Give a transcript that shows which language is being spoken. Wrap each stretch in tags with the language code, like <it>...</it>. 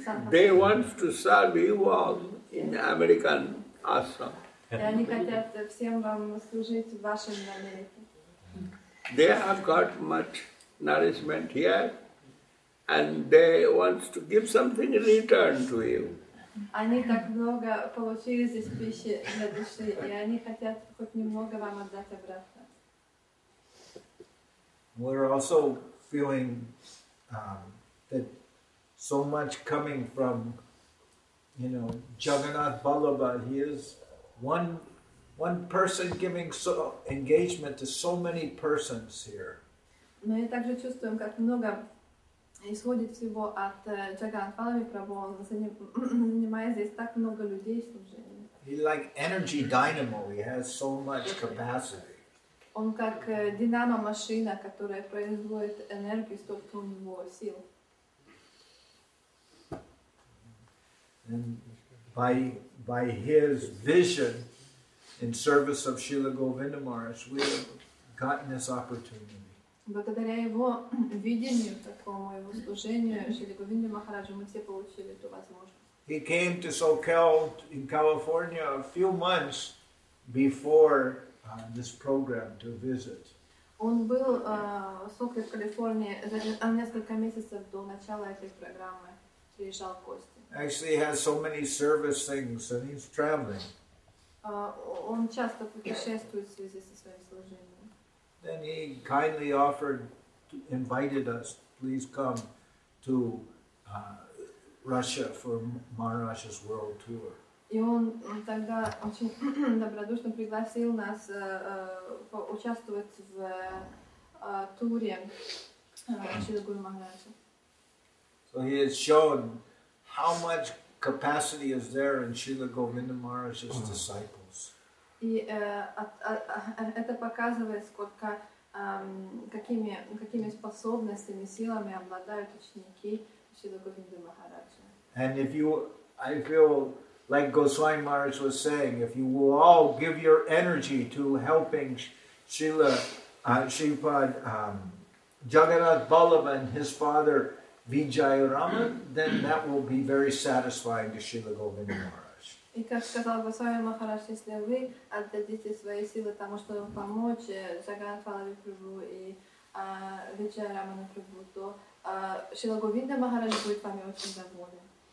<en>They want to serve you all in American ashram.</en> <ru>Они хотят всем вам служить в вашем Америке.</ru> <en>They have got much nourishment here, and they want to give something in return to you.</en> <ru>Они так много получили здесь пищи для души, и они хотят хоть немного вам отдать обратно.</ru> <en>We're also feeling that so much coming from, you know, Jagannath Ballabha. He is one person giving so engagement to so many persons here.</en> <ru>Но я также чувствую, как много исходит всего от Джаганнатха Баллабхи Прабху. Он занимает здесь так много людей служением.</ru> <en>He like energy dynamo. He has so much capacity.</en> <ru>Он как динамо машина, которая производит энергию столько у него сил.</ru> <en>And by his vision in service of Srila Govinda Maharaj, we have gotten this opportunity.</en> <ru>Благодаря его видению такому, его служению Шрила Говинда Махараджу, мы все получили эту возможность.</ru> <en>He came to Soquel in California a few months before this program to visit.</en> <ru>Он был в Soquel, Калифорнии за несколько месяцев до начала этой программы. Приезжал в гости.</ru> <en>Actually, he has so many service things, and he's traveling.</en> <ru>Он часто путешествует в связи со своим служением.</ru> <en>Then he kindly invited us, please come to Russia for Maharaj's world tour.</en> <ru>И он тогда очень добродушно пригласил нас участвовать в туре Шрила Гуру Махараджа.</ru> <en>So he has shown how much capacity is there in Srila Govinda Maharaj's disciples.</en> <ru>И это показывает, сколько какими способностями, силами обладают ученики Шрилы Говинды Махараджа.</ru> <en>And I feel like Goswami Maharaj was saying, if you will all give your energy to helping Srila Shripad Jagannath Ballabha and his father Vijayarama, then that will be very satisfying to Srila Govinda Maharaj.</en> <ru>И как сказал Госвами Махарадж, если вы отдадите свои силы тому, чтобы помочь Джаганнатху Баллабхи Прабху и Виджайарамана Прабху, то Шрила Говинда Махарадж будет вами очень доволен.</ru>